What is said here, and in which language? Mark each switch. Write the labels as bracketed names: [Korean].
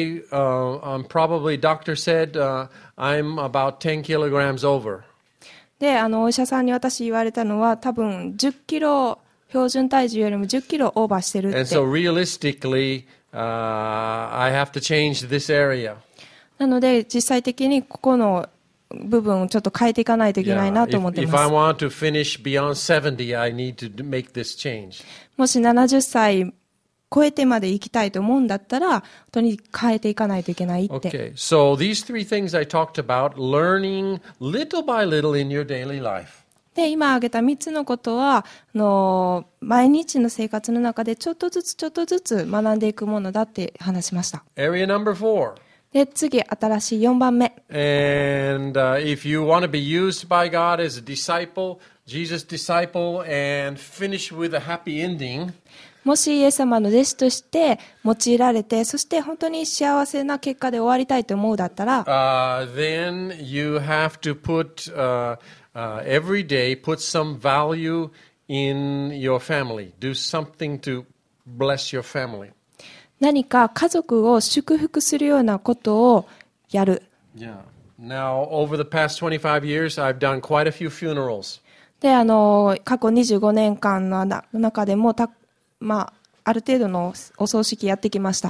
[English] I'm probably doctor said I'm about 10 kilograms over. [Japanese] で、お医者さんに私言われたのは、多分10キロ標準体重よりも10キロオーバーしてるって。 [English] And so realistically, I have to change this area. [Japanese] なので実際的にここの部分をちょっと変えていかないといけないなと思ってます。 [English] If I want to finish beyond 70, I need to make this change. [Japanese] もし70歳超えてまで行きたいと思うんだったら、本当に変えていかないといけないって。 [English] Okay, so these three things I talked about, learning little by little in your daily life. [Japanese] で、今挙げた3つのことは、毎日の生活の中でちょっとずつちょっとずつ学んでいくものだって話しました。 [English] Area number four. [Japanese] で、次、新しい4番目。 [English] And if you want to be used by God as a disciple, Jesus' disciple, and finish with a happy ending, [Japanese] もしイエス様の弟子として用いられて、そして本当に幸せな結果で終わりたいと思うだったら、 [English] then you have to put, every day put some value in your family. Do something to bless your family. [Japanese] 何か家族を祝福するようなことをやる。 [English] Yeah. Now, over the past 25 years, I've done quite a few funerals. [Japanese] で、過去25年間の中でも、まあ、ある程度のお葬式やってきました。